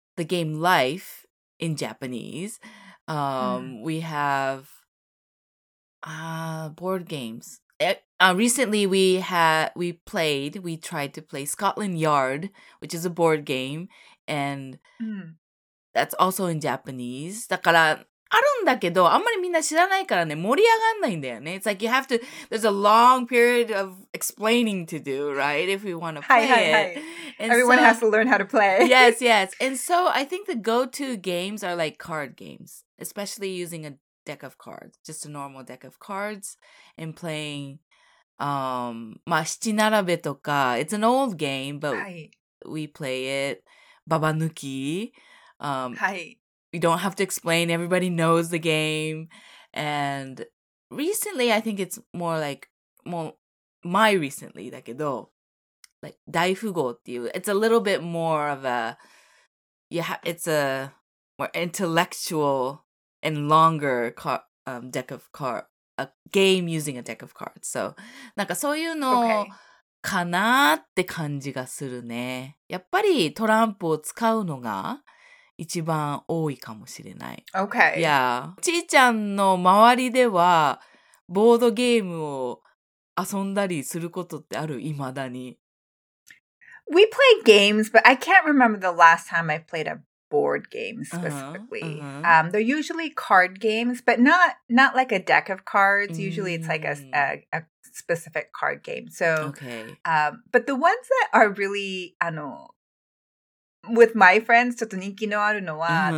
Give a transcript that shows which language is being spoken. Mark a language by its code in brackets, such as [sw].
[en] The game Life in Japanese.、We have、board games. Recently, we tried to play Scotland Yard, which is a board game, and、that's also in Japanese. [ja] だから、あるんだけど、あんまりみんな知らないからね、盛り上がんないんだよね。 [en] It's like you have to, there's a long period of explaining to do, right? If we want to play it. Everyone has to learn how to play. yes. And so I think the go-to games are like card games, especially using a deck of cards, just a normal deck of cards, and playing... [ja] まあ、七並べとか [en] It's an old game, but、 [ja] はい、 [en] we play it. ババ抜き、 [ja] はい、 [en] We don't have to explain. Everybody knows the game. And recently, I think it's more like, more my recently, だけど like [ja] 大富豪っていう [en] It's a little bit more of a, it's a more intellectual and longer deck of cards. A game using a deck of cards. [ja] So, なんかそういうのかなって感じがするね。やっぱりトランプを使うのが一番多いかもしれない。 [en] Okay. Yeah. [ja] ちーちゃんの周りではボードゲームを遊んだりすることってある？いまだに。 [en] We play games, but I can't remember the last time I played a board games specifically. Uh-huh, uh-huh. They're usually card games, but not like a deck of cards. Mm. Usually it's like a specific card game. So, okay. But the ones that are really, with my friends, [ja] ちょっと人気のあるのは, [en] uh-huh.